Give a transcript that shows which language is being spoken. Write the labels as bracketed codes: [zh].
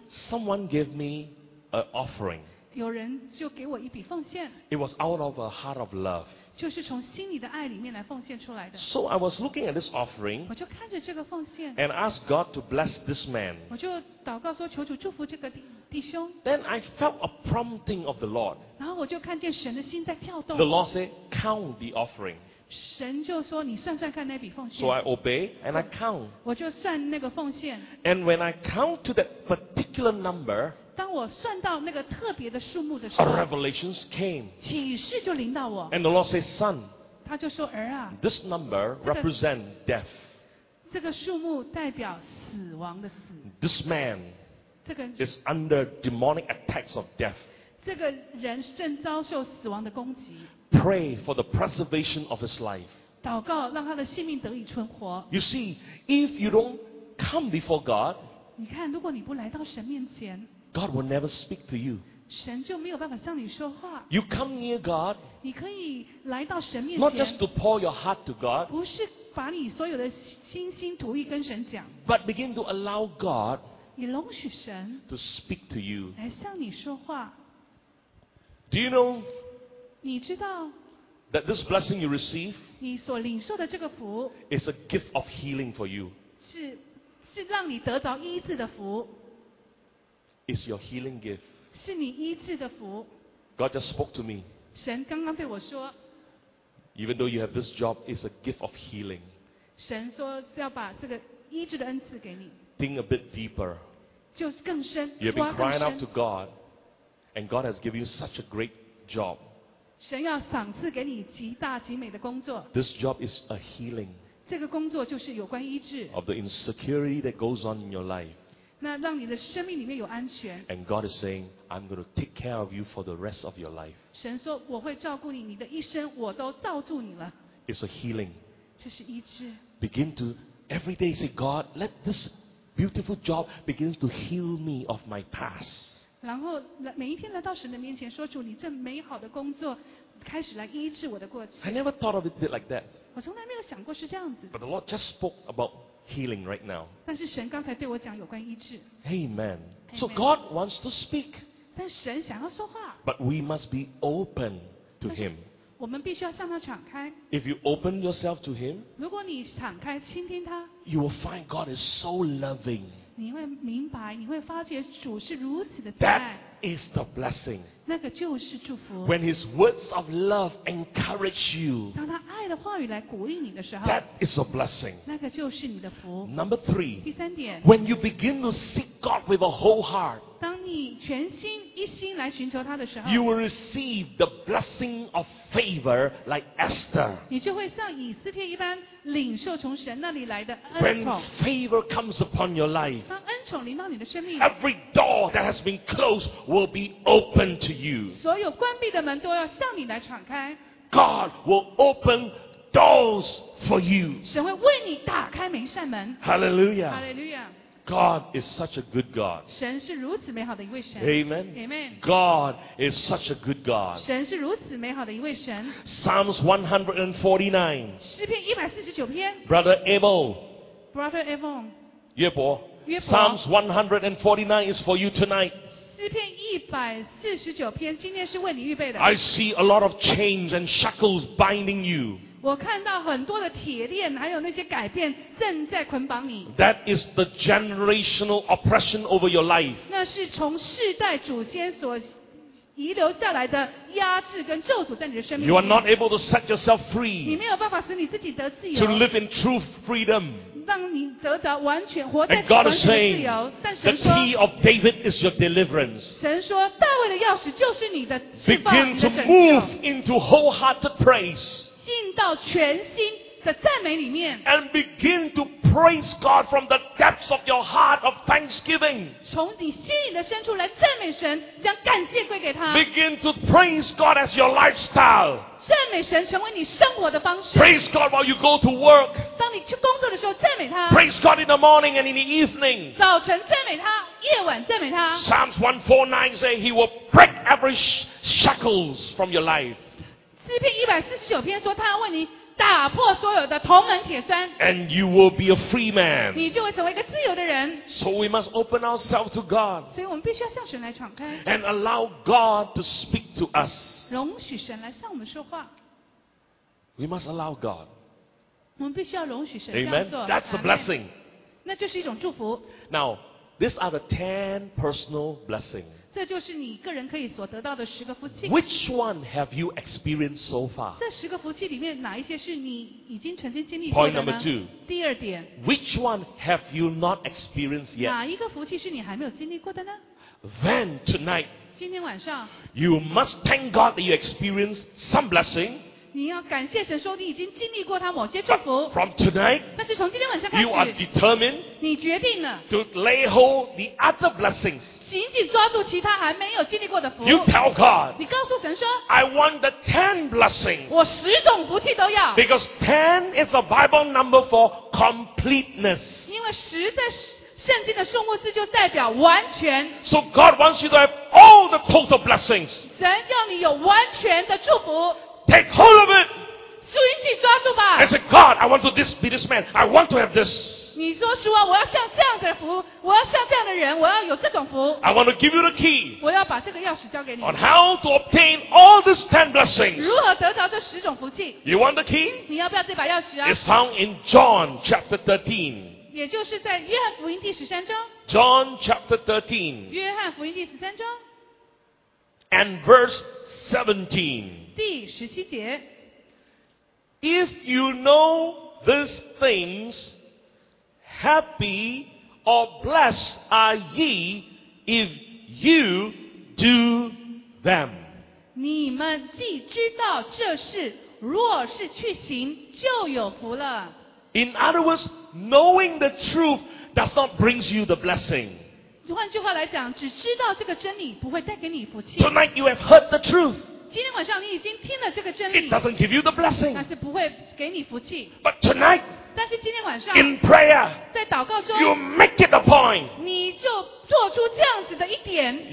[en] someone gave me an offering. [zh] 有人就给我一笔奉献。 [en] It was out of a heart of love. [zh] 就是从心里的爱里面来奉献出来的。 [en] So I was looking at this offering. [zh] 我就看着这个奉献。 [en] And asked God to bless this man. [zh] 我就祷告说求主祝福这个弟兄。 [en] Then I felt a prompting of the Lord. [zh] 然后我就看见神的心在跳动。 [en] The Lord said. Count the offering. [zh] 神就说你算算看那笔奉献。 [en] So I obey and I count. [zh] 我就算那个奉献。 [en] And when I count to that particular number, [zh] 当我算到那个特别的数目的时候， [en] a revelation came. [zh] 启示就临到我。 [en] And the Lord says, Son, [zh] 他就说儿啊， [en] this number represents death. [zh] 这个数目代表死亡的死。 [en] This man, [zh] 这个 [en] is under demonic attacks of death. [zh] 这个人正遭受死亡的攻击。 [en] Pray for the preservation of his life. [zh] 祷告让他的性命得以存活。 [en] You see, if you don't come before God, [zh] 你看，如果你不来到神面前， [en] God will never speak to you. [zh] 神就没有办法向你说话。 [en] You come near God, [zh] 你可以来到神面前， [en] not just to pour your heart to God, [zh] 不是把你所有的心心吐意跟神讲， [en] but begin to allow God, [zh] 你容许神 [en] to speak to you, [zh] 来向你说话。 [en] Do you know? [zh] 你知道 [en] that this blessing you receive, [zh] 你所领受的这个福 [en] is a gift of healing for you. [zh] 是让你得着医治的福 [en] is your healing gift. [zh] 是你医治的福 [en] God just spoke to me. [zh] 神刚刚对我说 [en] even though you have this job, it's a gift of healing. [zh] 神说是要把这个医治的恩赐给你 [en] think a bit deeper. [zh] 就是更深 [en] you have been crying out to God, and God has given you such a great job. [zh] 神要赏赐给你极大极美的工作。 [en] This job is a healing. [zh] 这个工作就是有关医治。 [en] Of the insecurity that goes on in your life. [zh] 那让你的生命里面有安全。 [en] And God is saying, I'm going to take care of you for the rest of your life. [zh] 神说我会照顾你，你的一生我都罩住你了。 [en] It's a healing. [zh] 这是医治。 [en] Begin to every day say, God, let this beautiful job begin to heal me of my past. [zh] 然后每一天来到神的面前说主你这美好的工作开始来医治我的过去 [en] I never thought of it like that [zh] 我从来没有想过是这样子 [en] But the Lord just spoke about healing right now [zh] 但是神刚才对我讲有关医治 [en] Amen. Amen So God wants to speak [zh] 但神想要说话 [en] But we must be open to Him [zh] 我们必须要向他敞开。 [en] If you open yourself to him, [zh] 如果你敞开倾听他， [en] you will find God is so loving. [zh] 你会明白，你会发觉主是如此的慈爱。 [en] That is the blessing. [zh] 那个就是祝福。 [en] When his words of love encourage you, [zh] 当他爱的话语来鼓励你的时候， [en] that is a blessing. [zh] 那个就是你的福。 [en] Number three, [zh] 第三点， [en] when you begin to seek God with a whole heart, [zh] 当你全心一心来寻求他的时候， [en] you will receive the blessing of favor like Esther. [zh] 你就会像以斯帖一般领受从神那里来的恩宠。 [en] When favor comes upon your life, [zh] 当恩宠临到你的生命， [en] every door that has been closed will be opened to you. [zh] 所有关闭的门都要向你来敞开。 [en] God will open doors for you. [zh] 神会为你打开每一扇门。 [en] Hallelujah. Hallelujah. God is such a good God. [zh] 神是如此美好的一位神。 [en] Amen. Amen. God is such a good God. [zh] 神是如此美好的一位神。 [en] Psalms 149. [zh] 诗篇一百四十九篇。 [en] Brother Abel. Brother Abel. [zh] 约伯。约伯。 [en] Psalms 149 is for you tonight. [zh] 诗篇一百四十九篇，今天是为你预备的。 [en] I see a lot of chains and shackles binding you. [zh] 我看到很多的铁链，还有那些改变正在捆绑你。 [en] That is the generational oppression over your life. [zh] 那是从世代祖先所遗留下来的压制跟咒诅在你的生命。 [en] You are not able to set yourself free. [zh] 你没有办法使你自己得自由。 [en] To live in true freedom. [zh] 让你得着完全活在完全自由。但神说 [en] The key of David is your deliverance. [zh] 神说大卫的钥匙就是你的释放。 [en] Begin to move into wholehearted praise. [zh] 进到全心的赞美里面。 [en] And begin to praise God from the depths of your heart of thanksgiving. [zh] 从你心里的深处来赞美神，将感谢归给他。 [en] Begin to praise God as your lifestyle. [zh] 赞美神成为你生活的方式。 [en] Praise God while you go to work. [zh] 当你去工作的时候，赞美他。 [en] Praise God in the morning and in the evening. [zh] 早晨赞美他，夜晚赞美他。 [en] Psalms 149 say He will break every shackles from your life. [zh] 诗篇一百四十九篇说，他为你打破所有的铜门铁栓。 [en] And you will be a free man. [zh] 你就会成为一个自由的人。 [en] So we must open ourselves to God. [zh] 所以我们必须要向神来敞开。 [en] And allow God to speak to us. [zh] 容许神来向我们说话。 [en] We must allow God. [zh] 我们必须要容许神这样做。 [en] Amen. That's a blessing. [zh] 那就是一种祝福。 [en] Now, these are the 10 personal blessings. [zh] 这就是你个人可以所得到的十个福气。 [en] Which one have you experienced so far? [zh] 这十个福气里面哪一些是你已经曾经经历过的呢？ [en] Point number two. [zh] 第二点。 [en] Which one have you not experienced yet? [zh] 哪一个福气是你还没有经历过的呢？ [en] Then tonight. [zh] 今天晚上 [en] you must thank God that you experienced some blessing. [zh] 你要感谢神说你已经经历过他某些祝福。 [en] From tonight, [zh] 那是从今天晚上开始 [en] you are determined [zh] 你决定了 [en] to lay hold the other blessings. [zh] 紧紧抓住其他还没有经历过的福。 [en] You tell God, [zh] 你告诉神说 [en] I want the 10 blessings. [zh] 我十种福气都要。 [en] Because 10 is a Bible number for completeness. [zh] 因为十的圣经的数目字就代表完全。 [en] So God wants you to have all the total blessings. [zh] 神要你有完全的祝福。 [en] Take hold of it. [zh] 紧紧抓住吧。 [en] I said, God, I want to this be this man. I want to have this. [zh] 你说主啊，我要像这样的福，我要像这样的人，我要有这种福。 [en] I want to give you the key. [zh] 我要把这个钥匙交给你。 [en] On how to obtain all these 10 blessings. [zh] 如何得到这十种福气？ [en] You want the key? [zh] 你要不要这把钥匙啊？ [en] It's found in John chapter 13. [zh] 也就是在约翰福音第十三章 [en] John chapter 13 [zh] 约翰福音第十三章 [en] and verse 17 [zh] 第十七节 [en] If you know these things happy or blessed are ye if you do them [zh] 你们既知道这事若是去行就有福了 [en] In other words,Knowing the truth does not bring you the blessing. [zh] 换句话来讲，只知道这个真理不会带给你福气。 [en] Tonight you have heard the truth. [zh] 今天晚上你已经听了这个真理。 [en] It doesn't give you the blessing. [zh] 那是不会给你福气。 [en] But tonight, [zh] 但是今天晚上 [en] in prayer, [zh] 在祷告中 [en] you make it a point. [zh] 你就做出这样子的一点。